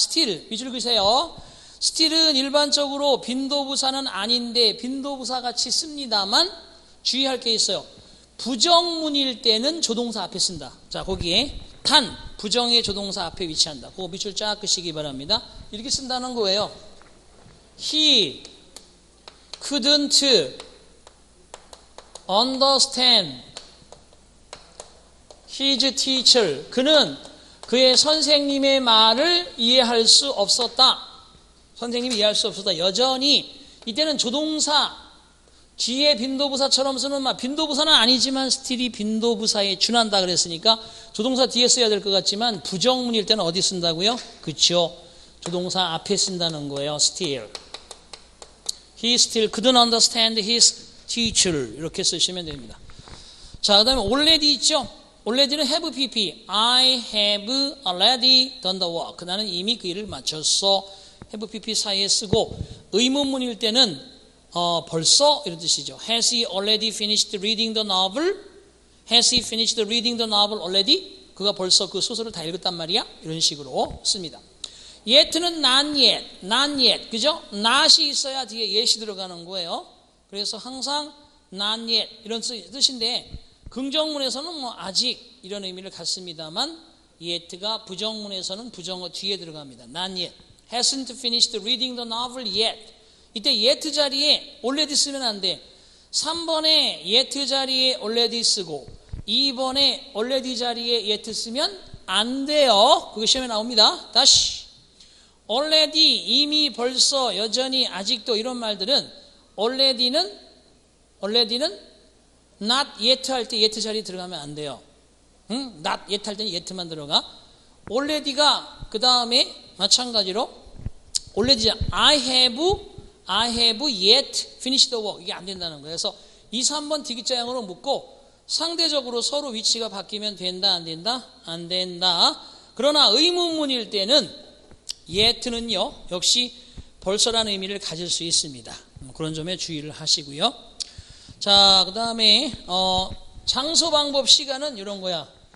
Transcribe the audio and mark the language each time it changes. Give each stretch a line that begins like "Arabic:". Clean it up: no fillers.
Korean: still, 위줄 그으세요. still은 일반적으로 빈도 부사는 아닌데 빈도 부사 같이 씁니다만 주의할 게 있어요. 부정문일 때는 조동사 앞에 쓴다. 자, 거기에 단, 부정의 조동사 앞에 위치한다. 그거 밑줄 쫙 그시기 바랍니다. 이렇게 쓴다는 거예요.
English: He couldn't understand his teacher.
Korean: 그는 그의 선생님의 말을 이해할 수 없었다. 선생님이 이해할 수 없었다. 여전히 이때는 조동사 뒤에 빈도부사처럼 쓰는 말, 빈도부사는 아니지만 스틸이 빈도부사에 준한다 그랬으니까 조동사 뒤에 써야 될 것 같지만 부정문일 때는 어디 쓴다고요? 그렇죠. 조동사 앞에 쓴다는 거예요.
English: still. He still couldn't understand his teacher.
Korean: 이렇게 쓰시면 됩니다. 자, 그 다음에 already 있죠?
English: already는 have pp. I have already done the work.
Korean: 나는 이미 그 일을 마쳤어. have pp 사이에 쓰고 의문문일 때는 벌써 이런 뜻이죠.
English: Has he already finished reading the novel? Has he finished reading the novel already?
Korean: 그가 벌써 그 소설을 다 읽었단 말이야? 이런 식으로 씁니다.
English: Yet는 not yet. Not yet.
Korean: 그죠? Not이 있어야 뒤에 yet이 들어가는 거예요. 그래서 항상 not yet 이런 뜻인데 긍정문에서는 뭐 아직 이런 의미를 갖습니다만 yet가 부정문에서는 부정어 뒤에 들어갑니다.
English: Not yet. Hasn't finished reading the novel yet.
Korean: 이때 yet 자리에 already 쓰면 안 돼. 3번에 yet 자리에 already 쓰고 2번에 already 자리에 yet 쓰면 안 돼요. 그게 시험에 나옵니다. 다시 already 이미 벌써 여전히 아직도 이런 말들은 already는 not yet 할 때 yet 자리에 들어가면 안 돼요. 응? not yet 할 때는 yet만 들어가. already가 그 다음에 마찬가지로
English: already I have I have yet finished the work.
Korean: 이게 안 된다는 거예요. 그래서 2, 3번 D기자형으로 묶고 상대적으로 서로 위치가 바뀌면 된다, 안 된다? 안 된다. 그러나 의문문일 때는 yet는요, 역시 벌써라는 의미를 가질 수 있습니다. 그런 점에 주의를 하시고요. 자, 그 다음에 장소 방법 시간은 이런 거야.